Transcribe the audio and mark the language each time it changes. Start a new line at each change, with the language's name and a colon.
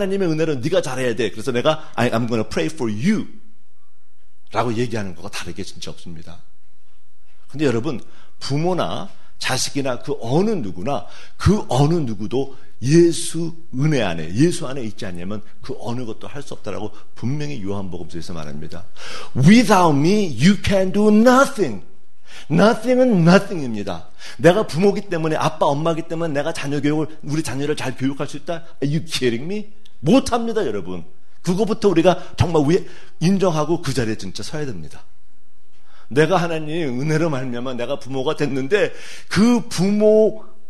Korean: 하나님의 은혜는 네가 잘해야 돼. 그래서 내가 I'm going to pray for you 라고 얘기하는 것과 다르게 진짜 없습니다. 근데 여러분 부모나 자식이나 그 어느 누구나 그 어느 누구도 예수 은혜 안에 예수 안에 있지 않냐면 그 어느 것도 할 수 없다라고 분명히 요한복음서에서 말합니다.
English: Without me you can do nothing.
Korean: Nothing은 nothing입니다. 내가 부모기 때문에 아빠 엄마기 때문에 내가 자녀 교육을 우리 자녀를 잘 교육할 수 있다?
English: Are you kidding me? 못합니다 여러분.
Korean: 그거부터 우리가 정말 위에 인정하고 그 자리에 진짜 서야 됩니다. 내가 하나님 은혜로 말미암아 내가 부모가 됐는데 그 부모마저도